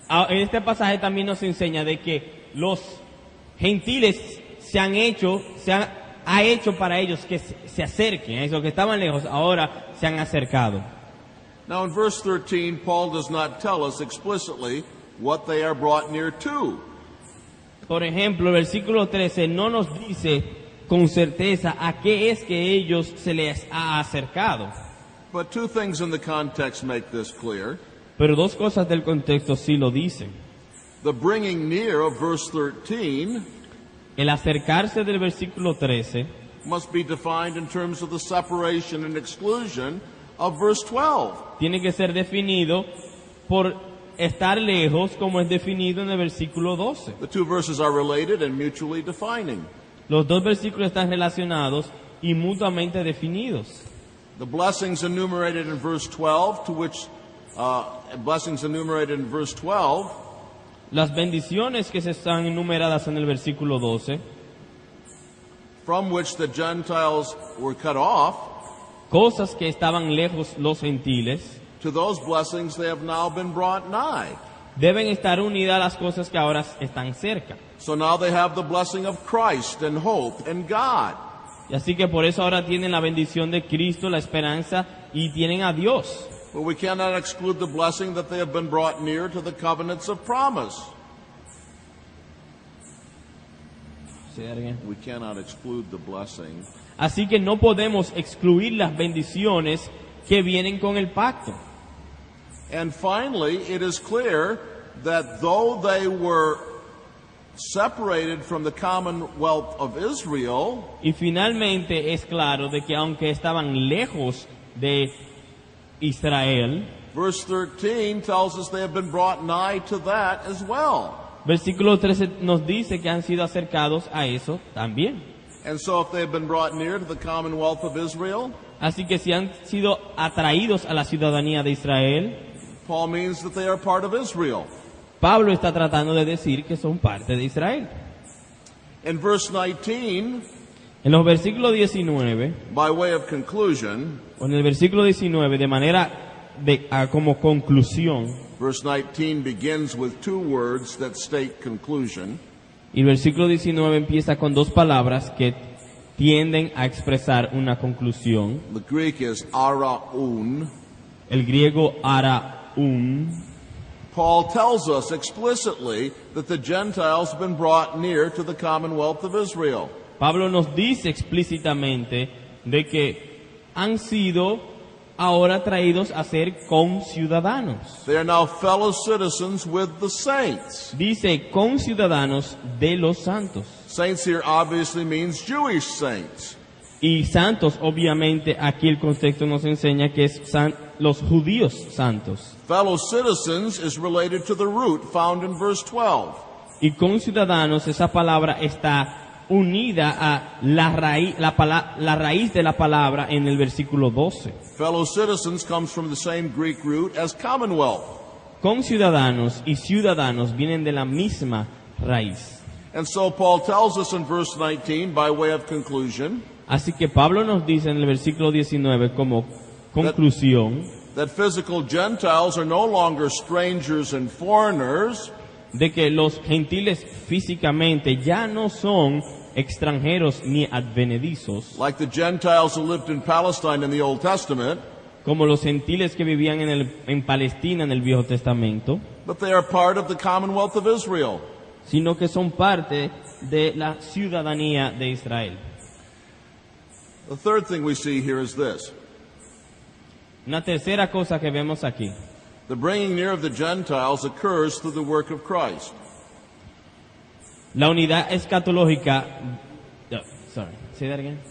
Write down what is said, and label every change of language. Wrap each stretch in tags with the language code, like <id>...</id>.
<es>Este pasaje también nos enseña de que los gentiles se ha hecho para ellos que se acerquen. Esos que estaban lejos ahora se han acercado.</es> <en>Now in verse 13, Paul does not tell us explicitly what they are brought near to.</en> <es>Por ejemplo, el versículo 13 no nos dice con certeza a qué es que ellos se les ha acercado.</es> <en>But two things in the context make this clear.</en> <es>Pero dos cosas del contexto sí lo dicen.</es> <en>The bringing near of verse 13,</en> <es>el acercarse del versículo 13,</es> <en>must be defined in terms of the separation and exclusion of verse 12.</en> <es>Tiene que ser definido por estar lejos, como es definido en el versículo 12.</es> <en>The two verses are related and mutually defining.</en> <es>Los dos versículos están relacionados y mutuamente definidos.</es> <en>The blessings enumerated in verse 12, to which blessings enumerated in verse 12.</en> <es>Las bendiciones que se están enumeradas en el versículo 12.</es> <en>From which the Gentiles were cut off.</en> <es>Cosas que estaban lejos los gentiles.</es> <en>To those blessings they have now been brought nigh.</en> <es>Deben estar unidas las cosas que ahora están cerca.</es> <en>So now they have the blessing of Christ and hope and God.</en> <es>Y así que por eso ahora tienen la bendición de Cristo, la esperanza, y tienen a Dios.</es> <en>But we cannot exclude the blessing that they have been brought near to the covenants of promise. Say that again. We cannot exclude the blessing.</en> <es>Así que no podemos excluir las bendiciones que vienen con el pacto.</es> <en>And finally, it is clear that though they were separated from the commonwealth of Israel,</en> <es>y finalmente es claro de que aunque estaban lejos de Israel,</es> <en>verse 13 tells us they have been brought nigh to that as well.</en> <es>Versículo 13 nos dice que han sido acercados a eso también.</es> <en>And so if they have been brought near to the commonwealth of Israel,</en> <es>así que si han sido atraídos a la ciudadanía de Israel,</es> <en>Paul means that they are part of Israel.</en> <es>Pablo está tratando de decir que son parte de Israel.</es> <en>In verse 19,</en> <es>en los versículos 19,</es> <en>by way of conclusion,</en> <es>o en el versículo 19, de manera de, como conclusión,</es> <en>verse 19 begins with two words that state conclusion.</en> <es>Y el versículo 19 empieza con dos palabras que tienden a expresar una conclusión.</es> <en>The Greek is araun.</en> <es>El griego araun.</es> <en>Paul tells us explicitly that the Gentiles have been brought near to the commonwealth of Israel.</en> <es>Pablo nos dice explícitamente de que han sido ahora traídos a ser conciudadanos.</es> <en>They are now fellow citizens with the saints.</en> <es>Dice conciudadanos de los santos.</es> <en>Saints here obviously means Jewish saints.</en> <es>Y santos, obviamente, aquí el contexto nos enseña que es los judíos santos.</es> <en>Fellow citizens is related to the root found in verse 12.</en> <es>Y conciudadanos, esa palabra está unida a la raíz de la palabra en el versículo 12.</es> <en>Fellow citizens comes from the same Greek root as commonwealth.</en> <es>Conciudadanos y ciudadanos vienen de la misma raíz.</es> <en>And so Paul tells us in verse 19 by way of conclusion.</en> <es>Así que Pablo nos dice en el versículo 19 como conclusión</es> <en>that physical Gentiles are no longer strangers and foreigners.</en> <es>De que los gentiles físicamente ya no son extranjeros ni advenedizos.</es> <en>Like the Gentiles who lived in Palestine in the Old Testament.</en> <es>Como los gentiles que vivían en Palestina en el Viejo Testamento.</es> <en>But they are part of the commonwealth of Israel.</en> <es>Sino que son parte de la ciudadanía de Israel.</es> <en>The third thing we see here is this.</en> <es>Una tercera cosa que vemos aquí.</es> <en>The bringing near of the Gentiles occurs through the work of Christ.</en> <es>La unidad escatológica.</es> <en>Sorry, say that again.</en>